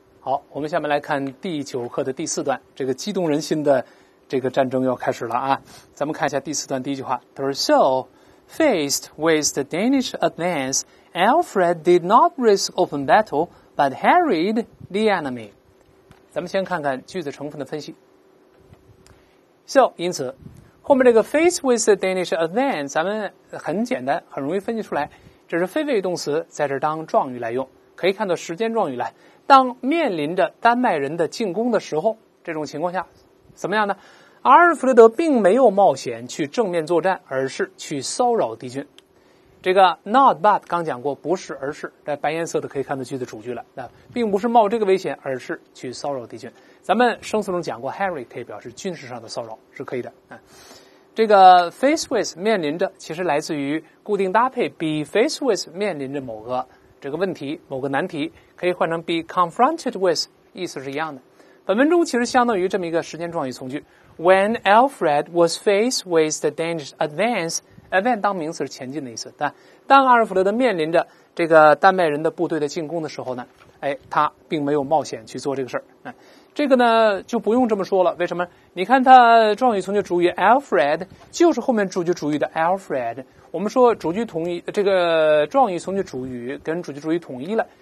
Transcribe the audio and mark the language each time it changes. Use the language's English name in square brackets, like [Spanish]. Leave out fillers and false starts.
[Chinese] 好，我们下面来看第九课的第四段，这个激动人心的这个战争要开始了啊。咱们看一下第四段第一句话，他说 [English] So, faced with the Danish advance, Alfred did not risk open battle, but harried the enemy. [Chinese] 咱们先看看句子成分的分析。 So, 因此，后面这个 [English] faced with the Danish advance, [Chinese] 咱们很简单，很容易分析出来，这是非谓动词，在这当状语来用，可以看到时间状语来。当面临着丹麦人的进攻的时候，这种情况下怎么样呢？阿尔弗雷德并没有冒险去正面作战，而是去骚扰敌军。这个 not but 刚讲过，不是而是，在白颜色的可以看到句子主句了，那并不是冒这个危险，而是去骚扰敌军。咱们生词中讲过 harry 可以表示军事上的骚扰，是可以的、这个 face with 面临着，其实来自于固定搭配 be face with 面临着某个这个问题，某个难题，可以换成 [English] be confronted with， [Chinese] 意思是一样的。本文中其实相当于这么一个时间状语从句。 [English] When Alfred was faced with the Danish advance, advance [Chinese] 当名词是前进的意思。但当阿尔弗雷德面临着这个丹麦人的部队的进攻的时候呢，他并没有冒险去做这个事儿。这个呢就不用这么说了。为什么？你看他状语从句主语 Alfred 就是后面主句主语的 Alfred。我们说主句同意，这个状语从句主语跟主句主语统一了。